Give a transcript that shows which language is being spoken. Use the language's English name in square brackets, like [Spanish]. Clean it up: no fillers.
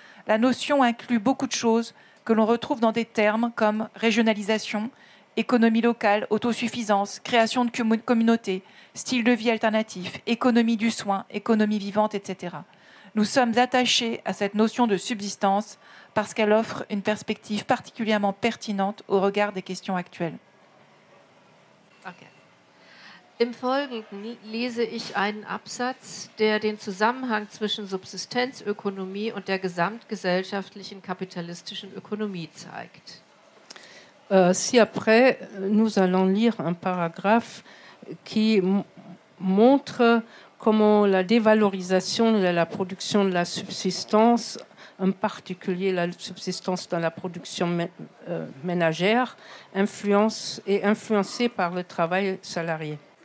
[French] La notion inclut beaucoup de choses que l'on retrouve dans des termes comme régionalisation, économie locale, autosuffisance, création de communautés, style de vie alternatif, économie du soin, économie vivante, etc. Nous sommes attachés à cette notion de subsistance parce qu'elle offre une perspective particulièrement pertinente au regard des questions actuelles. Okay. [German] Im Folgenden lese ich einen Absatz, der den Zusammenhang zwischen Subsistenzökonomie und der gesamtgesellschaftlichen kapitalistischen Ökonomie zeigt. [French] Si après, nous allons lire un paragraphe qui montre comment la dévalorisation de la production de la subsistance, en particulier la subsistance dans la production ménagère, est influencée par le travail salarié.